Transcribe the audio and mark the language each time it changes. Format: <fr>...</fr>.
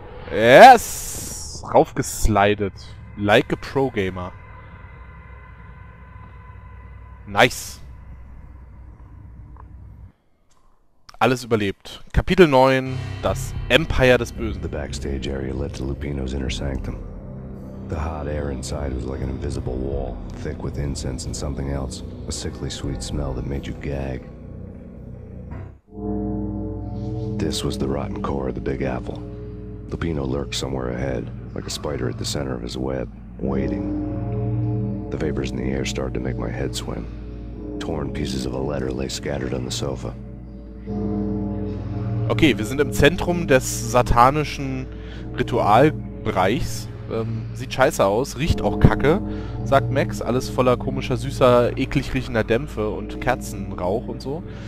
<en>Yes! Raufgeslidet. Like a Pro Gamer. Nice.</en> <de>Alles überlebt. Kapitel 9, das Empire des Bösen.</de> <en>The backstage area led to Lupino's inner sanctum. The hot air inside was like an invisible wall, thick with incense and something else, a sickly sweet smell that made you gag. This was the rotten core of the Big Apple. Lupino lurked somewhere ahead, like a spider at the center of his web, waiting. The vapors in the air started to make my head swim. Torn pieces of a letter lay scattered on the sofa.</en> <de>Okay, wir sind im Zentrum des satanischen Ritualbereichs. Sieht scheiße aus, riecht auch kacke, sagt Max, alles voller komischer, süßer, eklig riechender Dämpfe und Kerzenrauch und so.</de>